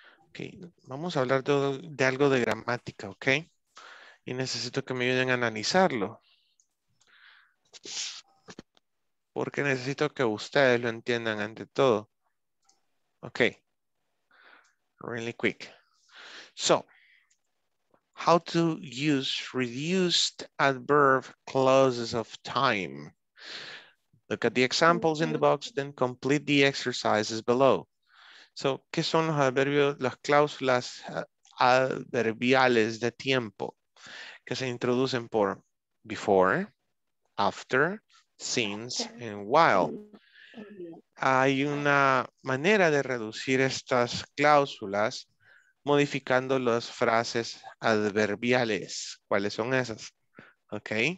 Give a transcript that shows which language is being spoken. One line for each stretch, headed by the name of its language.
Spanish: Okay, vamos a hablar de algo de gramática, okay? Y necesito que me ayuden a analizarlo. Porque necesito que ustedes lo entiendan ante todo.
English: Okay. Really quick. So, how to use reduced adverb clauses of time. Look at the examples in the box, then complete the exercises below.
Spanish: So, ¿qué son los adverbios, las cláusulas adverbiales de tiempo? Que se introducen por before, after, since, and while. Hay una manera de reducir estas cláusulas modificando las frases adverbiales. ¿Cuáles son esas? Ok.